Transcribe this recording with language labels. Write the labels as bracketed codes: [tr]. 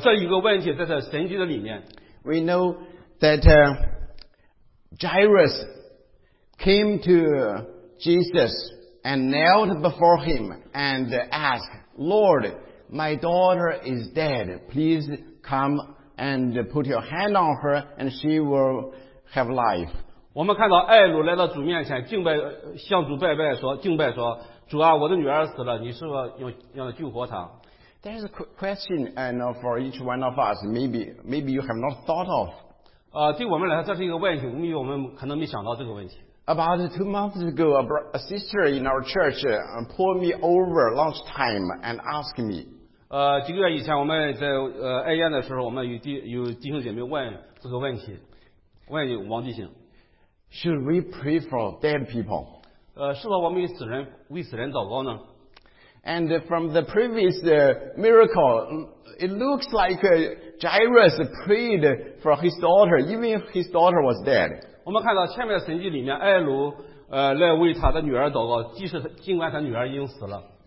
[zh] 这一个问题在这神迹的里面。 [en] We know that Jairus came to Jesus and knelt before him and asked, Lord, my daughter is dead. Please come and put your hand on her and she will have life. [zh] 我们看到艾鲁来到主面前敬拜，向主拜拜说，敬拜说，主啊，我的女儿死了，你是不是要救活她？ [en] There is a question and for each one of us, maybe you have not thought of. [zh] 对我们来说这是一个问题，因为我们可能没想到这个问题。 [en] About 2 months ago, a sister in our church pulled me over lunchtime and asked me. [zh] 几个月以前我们在爱宴的时候，我们有弟兄姐妹问这个问题，问王弟兄。 [en] Should we pray for dead people? [zh] 是否我们为死人祷告呢？ [en] And from the previous miracle, it looks like Jairus prayed for his daughter, even if his daughter was dead. [zh] 我们看到前面的神迹里面，艾鲁来为他的女儿祷告，尽管他女儿已经死了。